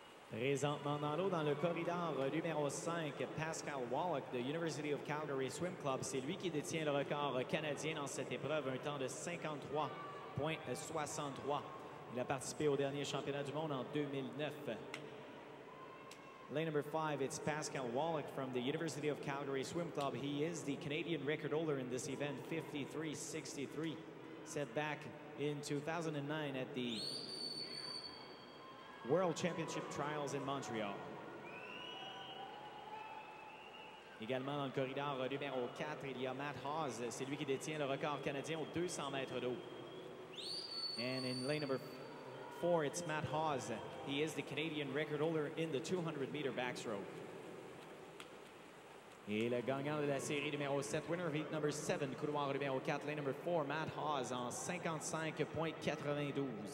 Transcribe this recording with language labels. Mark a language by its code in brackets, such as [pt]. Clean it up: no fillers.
[fr] Présentement dans l'eau, dans le corridor numéro 5, Pascal Wallach de University of Calgary Swim Club. C'est lui qui détient le record canadien dans cette épreuve, un temps de 53.63. Il a participé au dernier championnat du monde en 2009. [en] Lane number 5, it's Pascal Wallach from the University of Calgary Swim Club. He is the Canadian record holder in this event, 53-63. set back in 2009 at the World Championship Trials in Montreal. [fr] Également dans le corridor numéro 4, il y a Matt Hawes. C'est lui qui détient le record canadien aux 200 mètres d'eau. [en] And in lane number 4, it's Matt Hawes. He is the Canadian record holder in the 200-meter backstroke. [fr] Et le gagnant de la série numéro 7, [en] winner of heat number 7, [fr] couloir numéro 4, [en] lane number 4, [fr] Matt Hawes en 55.92.